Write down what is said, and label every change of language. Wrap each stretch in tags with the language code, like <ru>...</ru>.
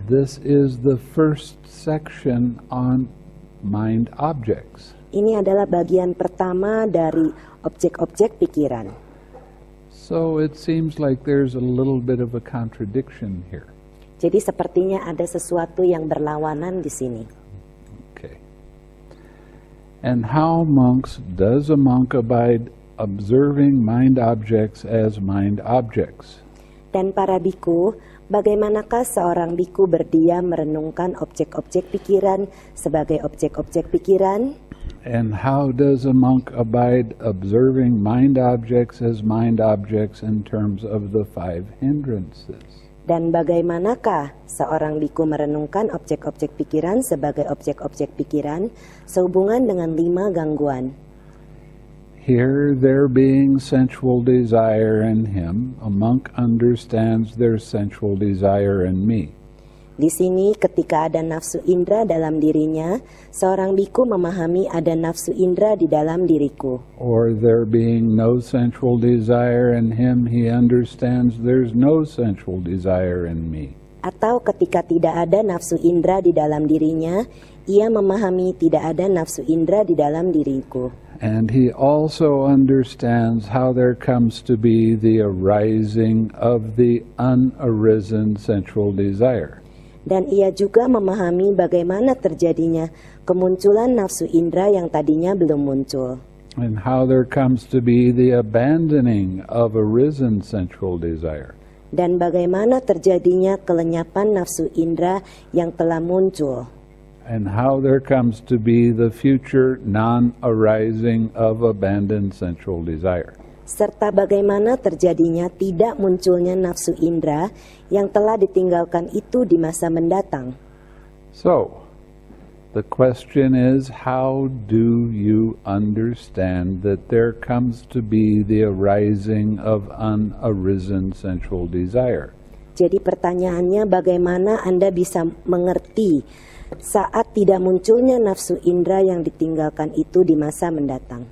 <en>this is the first section on mind objects.</en> <id>Ini adalah bagian pertama dari objek-objek pikiran.</id> <en>So it seems like there's a little bit of a contradiction here.</en> <id>Jadi sepertinya ada sesuatu yang berlawanan di sini.</id> <en>Okay. And how, monks, does a monk abide observing mind objects as mind objects?</en> <id>Dan para bhikkhu, bagaimanakah seorang bhikkhu berdiam merenungkan objek-objek pikiran sebagai objek-objek pikiran?</id> <en>And how does a monk abide observing mind objects as mind objects in terms of the five hindrances?</en> <id>Dan bagaimanakah seorang bhikkhu merenungkan objek-objek pikiran sebagai objek-objek pikiran sehubungan dengan lima gangguan?</id> <en>Here there being sensual desire in him, a monk understands their sensual desire in me.</en> <id>Di sini ketika ada nafsu indra dalam dirinya, seorang bhikkhu memahami ada nafsu indra di dalam diriku.</id> <en>Or there being no sensual desire in him, he understands there's no sensual desire in me.</en> <id>Atau ketika tidak ada nafsu indra di dalam dirinya, ia memahami tidak ada nafsu indra di dalam diriku.</id> <en>And he also understands how there comes to be the arising of the unarisen sensual desire.</en> <id>Dan ia juga memahami bagaimana terjadinya kemunculan nafsu indra yang tadinya belum muncul.</id> <en>And how there comes to be the abandoning of arisen sensual desire.</en> <id>Dan bagaimana terjadinya kelenyapan nafsu indra yang telah muncul.</id> <en>And how there comes to be the future non-arising of abandoned sensual desire.</en> <id>Serta bagaimana terjadinya tidak munculnya nafsu indra yang telah ditinggalkan itu di masa mendatang.</id> <en>So, the question is, how do you understand that there comes to be the arising of unarisen sensual desire?</en> <id>Jadi pertanyaannya, bagaimana Anda bisa mengerti saat tidak munculnya nafsu indra yang ditinggalkan itu di masa mendatang?</id>